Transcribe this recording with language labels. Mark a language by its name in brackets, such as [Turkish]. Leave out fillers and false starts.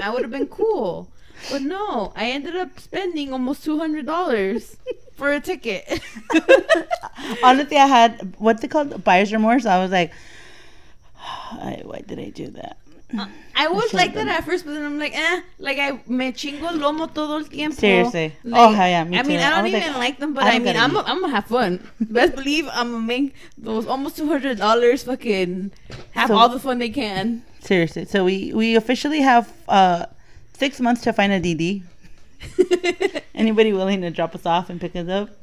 [English] I would have been cool. But no, I ended up spending almost $200 for a ticket. Honestly, I had, what's it called? Buyer's remorse. I was like, why did I do that? I was like that at first, but then I'm like, eh. Like, I [Spanish] me chingo lomo todo el tiempo. [English] Seriously. Like, oh, yeah, me too. I mean, I don't even like them, but I mean, I'm going to have fun. Best believe I'm going to make those almost $200 fucking have all the fun they can. Seriously. So we officially have 6 months to find a DD. Anybody willing to drop us off and pick us up?